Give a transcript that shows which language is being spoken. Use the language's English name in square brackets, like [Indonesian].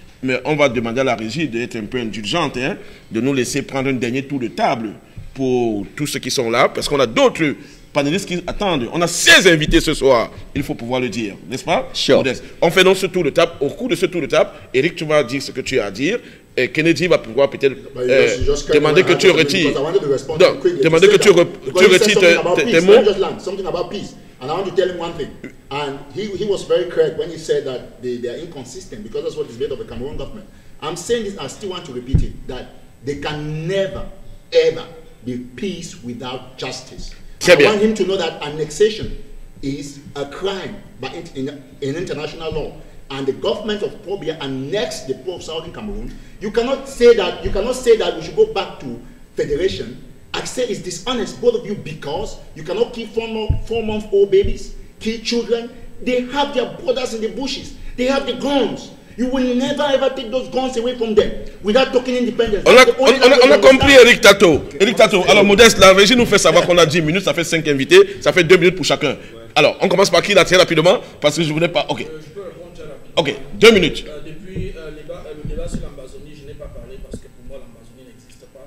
[French] Mais on va demander à la régie d'être un peu indulgente, hein, de nous laisser prendre un dernier tour de table pour tous ceux qui sont là, parce qu'on a d'autres panélistes qui attendent. On a 16 invités ce soir, il faut pouvoir le dire, n'est-ce pas? [English] Sure. [French] Modeste. On fait donc ce tour de table. Au cours de ce tour de table, Eric, tu vas dire ce que tu as à dire. Et Kennedy va pouvoir peut-être demander que tu retires. Donc, demander que tu retires tes mots. [English] Something about peace. And I want to tell him one thing. And he was very correct when he said that they are inconsistent, because that's what is made of the Cameroon government. I'm saying this, I still want to repeat it, that they can never, ever be peace without justice. [French] Très bien. [English] I want him to know that annexation is a crime by in international law. And the government of Paul Biya annexed the poor of Southern Cameroon. You cannot say that we should go back to federation. I say it's dishonest, both of you, because you cannot keep four-month-old babies, kill children. They have their borders in the bushes. They have the guns. You will never, ever take those guns away from them without talking independence. [French] On a compris, Eric Tato. Okay. Eric Tato, okay. Alors, Modeste, la régie nous fait savoir qu'on a 10 minutes, ça fait 5 invités, ça fait 2 minutes pour chacun. Ouais. Alors, on commence par qui, là, très rapidement, parce que je ne voulais pas... Ok. Je peux répondre très rapidement. Ok, 2 minutes. Depuis le débat sur l'Amazonie, je n'ai pas parlé parce que pour moi, l'Amazonie n'existe pas.